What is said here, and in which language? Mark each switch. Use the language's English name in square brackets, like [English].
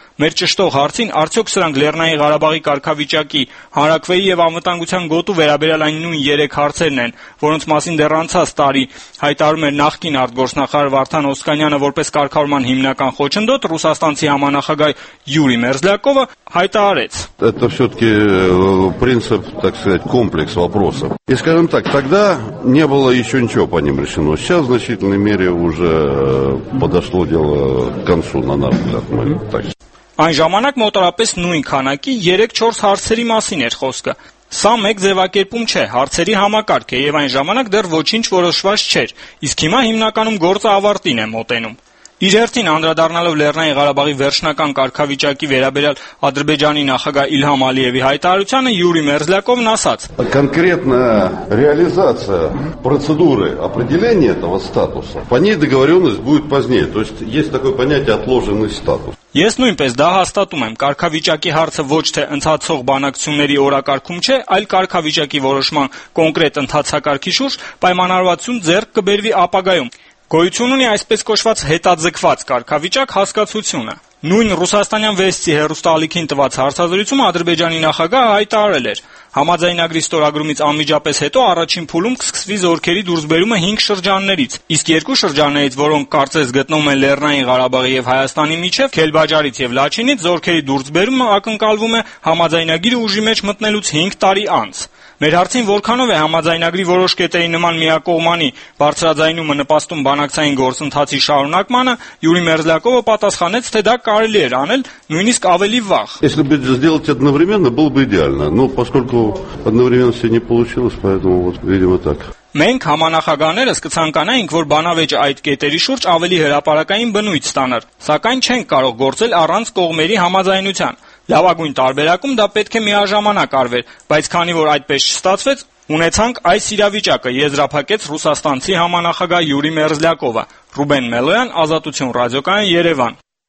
[Armenian] Մեր ճշտող հարցին, արդյոք սրանք Լեռնային Ղարաբաղի կարգավիճակի, հանրակրթվեի և անվտանգության գոտու վերաբերյալ այն նույն 3 հարցերն են, որոնց մասին դեռ անցած տարի հայտարարում էր նախկին արտգործնախարար Վարդան Օսկանյանը որպես կարգավորման հիմնական խոչընդոտ, ռուսաստանցի համանախագահ Յուրի Մերզլյակովը հայտարարեց. [Russian] Это всё-таки принцип, так сказать, комплекс вопросов. И скажем так, тогда не было ещё ничего по ним решено. Сейчас в значительной мере уже подошло дело к концу на наш взгляд, так. [Armenian] Այն ժամանակ մոտարապես նույն քանակի 3-4 հարցերի մասին էր խոսքը։ Սա մեկ ձևակերպում չէ, հարցերի համակարգ է, և այն ժամանակ դեռ ոչինչ որոշված չէր, իսկ հիմա հիմնականում գործը ավարտին է մոտենում։ Իր հերթին, անդրադառնալով Լեռնային Ղարաբաղի վերջնական կարգավիճակի վերաբերյալ Ադրբեջանի նախագահ Իլհամ Ալիևի հայտարարությանը, Յուրի Մերզլյակովն ասաց. [Russian] Կոնկրետնա ռեալիզացիա процедуры определения этого статуса. По ней договорённость будет позднее, то есть есть такое понятие отложенный статус. [Armenian] Ես նույնպես դա հաստատում եմ, կարգավիճակի հարցը ոչ թե ընթացող բանակցությունների օրակարգում չէ, այլ կարգավիճակի որոշման կոնկրետ ընթացակարգի շուրջ պայմանավորվածություն ձեռք կբերվի ապագայում։ Գոյություն ունի այսպես կոչված հետաձգված կարգավիճակ հասկացությունը։ Նույն ռուսաստանյան Վեստի հեռուստալիքին տված հարցազրույցում Ադրբեջանի նախագահը հայտարարել էր. Համաձայնագրի ստորագրումից անմիջապես հետո առաջին փուլում կսկսվի զորքերի դուրսբերումը 5 շրջաններից, իսկ 2 շրջաններից, որոնք կարծես գտնվում են Լեռնային Ղարաբաղի և Հայաստանի միջև, Քելբաջարից և Լաչինից, զորքերի դուրսբերումը ակնկալվում է համաձայնագիրը ուժի մեջ մտնելուց 5 տարի անց։ Մեր հարցին, որքանով է համաձայնագրի որոշ կետերի նման միակողմանի բարձրաձայնումը նպաստում բանակցային գործընթացի շարունակմանը, Յուրի Մերզլյակովը պատասխանեց, թե դա կարելի էր անել նույնիսկ ավելի վաղ. [Russian] Если бы сделать одновременно, было бы идеально, но поскольку одновременно всё не получилось, поэтому вот, видимо, так. [Armenian] Մենք համանախագահները կցանկանայինք, որ բանավեճը այդ կետերի շուրջ ավելի հրապարակային բնույթ ստանար, սակայն չենք կարող գործել առանց կողմերի համաձայնության։ Լավագույն տարբերակում դա պետք է միաժամանակ արվեր, բայց քանի որ այդպես չստացվեց, ունեցանք այս իրավիճակը, եզրափակեց ռուսաստանցի համանախագահ Յուրի Մերզլյակովը։ Ռուբեն Մելոյան, Ազատություն ռադիոկայան, Երևան։